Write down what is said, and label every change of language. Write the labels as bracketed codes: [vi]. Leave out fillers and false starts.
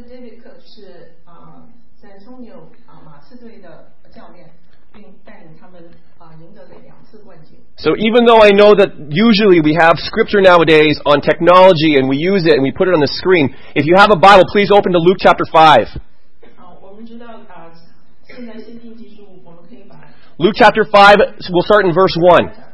[zh] David Cook 是San Antonio 马刺队的教练，并带领他们赢得了两次冠军。 [en] So even though I know that usually we have scripture nowadays on technology and we use it and we put it on the screen, if you have a Bible, please open to Luke chapter 5. [zh] 我们知道现在先进技术，我们可以把 [en] Luke chapter 5, we'll start in verse 1.